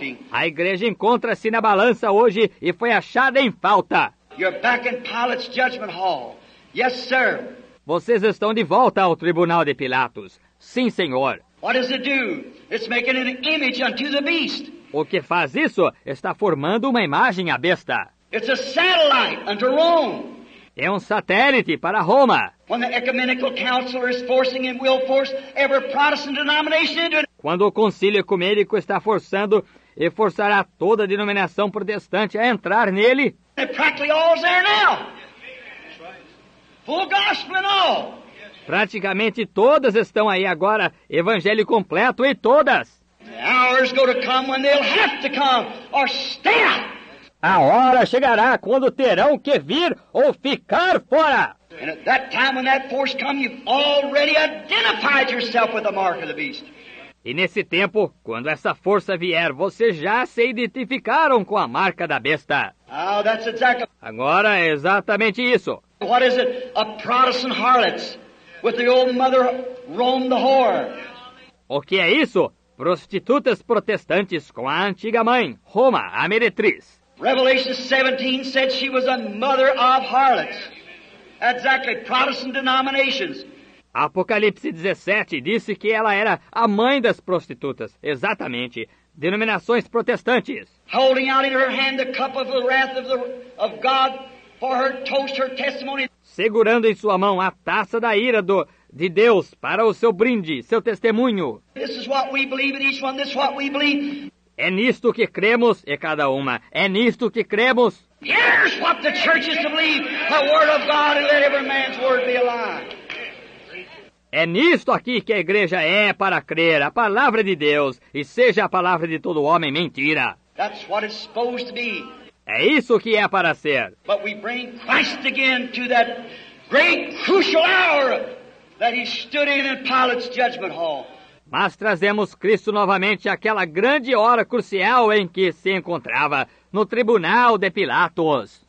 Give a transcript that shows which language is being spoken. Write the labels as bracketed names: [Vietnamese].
[Portuguese] A igreja encontra-se na balança hoje e foi achada em falta. [English] You're back in Pilate's judgment hall. Yes, sir. [Portuguese] Vocês estão de volta ao tribunal de Pilatos. Sim, senhor. [English] What does it do? It's making an image unto the beast. [Portuguese] O que faz isso? Está formando uma imagem à besta. [English] It's a satellite unto Rome. [Portuguese] É um satélite para Roma. [English] When the ecumenical council is forcing and will force every Protestant denomination into it. [Portuguese] Quando o concílio ecumênico está forçando e forçará toda a denominação protestante a entrar nele. [English] And practically all's there now. Full gospel and all. [Portuguese] Praticamente todas estão aí agora, evangelho completo e todas. [English] The hours go to come when they'll have to come or stay out. [Portuguese] A hora chegará quando terão que vir ou ficar fora. [English] And at that time when that force comes, you've already identified yourself with the mark of the beast. [Portuguese] E nesse tempo, quando essa força vier, vocês já se identificaram com a marca da besta. [English] Oh, that's exactly. [Portuguese] Agora é exatamente isso. [English] What is it? A Protestant harlot with the old mother Rome the whore. [Portuguese] O que é isso? Prostitutas protestantes com a antiga mãe, Roma, a meretriz. [English] Revelation 17 said she was a mother of harlots. Exactly, Protestant denominations. [Portuguese] Apocalipse 17 disse que ela era a mãe das prostitutas. Exatamente, denominações protestantes. [English] Holding out in her hand the cup of the wrath of God for her toast, her testimony. [Portuguese] Segurando em sua mão a taça da ira de Deus para o seu brinde, seu testemunho. [English] This is what we believe in each one, this is what we believe. [Portuguese] É nisto que cremos, e cada uma, é nisto que cremos. [English] Here's what the church is to believe, the word of God, and let every man's word be alive. [Portuguese] É nisto aqui que a igreja é para crer, a palavra de Deus, e seja a palavra de todo homem mentira. [English] That's what it's supposed to be. [Portuguese] É isso que é para ser. [English] But we bring Christ again to that great crucial hour that he stood in Pilate's judgment hall. [Portuguese] Mas trazemos Cristo novamente àquela grande hora crucial em que se encontrava no tribunal de Pilatos.